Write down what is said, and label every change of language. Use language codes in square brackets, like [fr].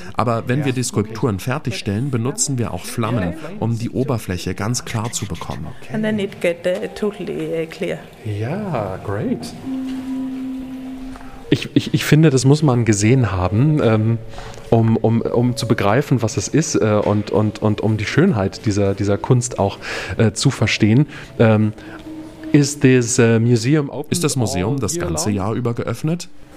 [de] Aber wenn wir die Skulpturen fertigstellen, benutzen wir auch Flammen, um die Oberfläche ganz klar zu bekommen. [en] And then it get totally clear. Yeah, great. [de] Ich finde, das muss man gesehen haben, um zu begreifen, was es ist und um die Schönheit dieser Kunst auch zu verstehen. Ist das Museum das ganze Jahr über geöffnet?